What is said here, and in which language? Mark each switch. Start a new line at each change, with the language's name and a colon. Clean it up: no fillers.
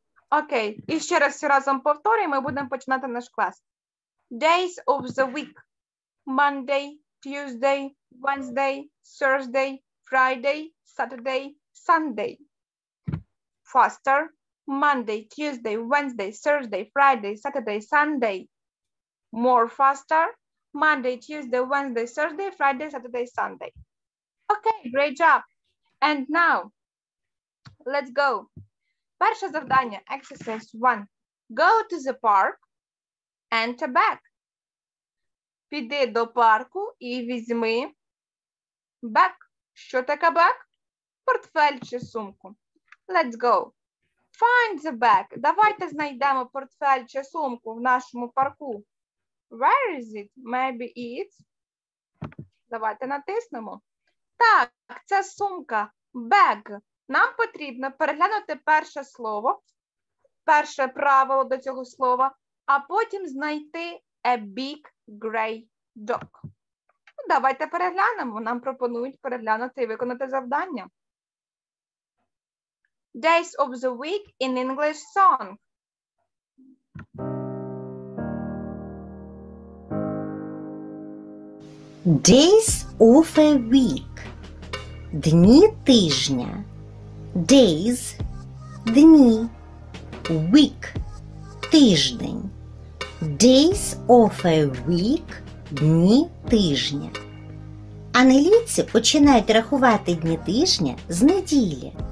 Ukrainian: Окей, і ще раз всі разом повторюємо, ми будемо починати наш клас.
English: Days of the week. Monday, Tuesday, Wednesday, Thursday, Friday, Saturday, Sunday. Faster. Monday, Tuesday, Wednesday, Thursday, Friday, Saturday, Sunday. More faster. Monday, Tuesday, Wednesday, Thursday, Friday, Saturday, Sunday. Okay, great job. And now, let's go.
Ukrainian: Перше завдання,
English: exercise one. Go to the park and a bag.
Ukrainian: Піди до парку і візьми bag. Що таке
English: bag?
Ukrainian: Портфель чи сумку.
English: Let's go. Find the bag.
Ukrainian: Давайте знайдемо портфель чи сумку в нашому парку.
English: Where is it? Maybe it's.
Ukrainian: Давайте натиснемо. Так, це сумка. Bag. Нам потрібно переглянути перше слово, перше правило до цього слова, а потім знайти
English: a big gray dog.
Ukrainian: Ну, давайте переглянемо. Нам пропонують переглянути і виконати завдання.
English: Days of the week in English song. Days of a week.
Ukrainian: Дні тижня.
English: Days
Ukrainian: – дні.
English: Week –
Ukrainian: тиждень.
English: Days of a week –
Ukrainian: дні тижня. Англійці починають рахувати дні тижня з неділі.